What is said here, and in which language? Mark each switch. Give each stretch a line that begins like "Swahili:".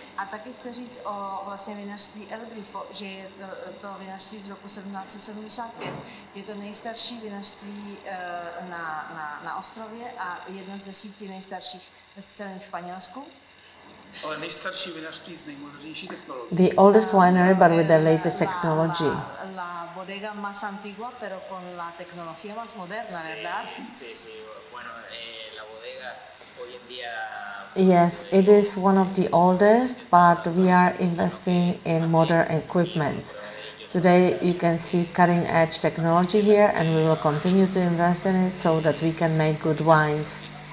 Czech: A taky chci říct o vlastně vinařství El Grifo, že je to vinařství z roku 1775. Je to nejstarší vinařství na ostrově a jedno z 10 nejstarších v celém Španělsku.
English: The oldest winery, but with the latest technology.
Spanish: La bodega más antigua, pero con la tecnología más moderna, ¿verdad? Sí. Bueno, la bodega hoy en día.
English: Yes, it is one of the oldest, but we are investing in modern equipment. Today you can see cutting-edge technology here, and we will continue to invest in it so that we can make good wines.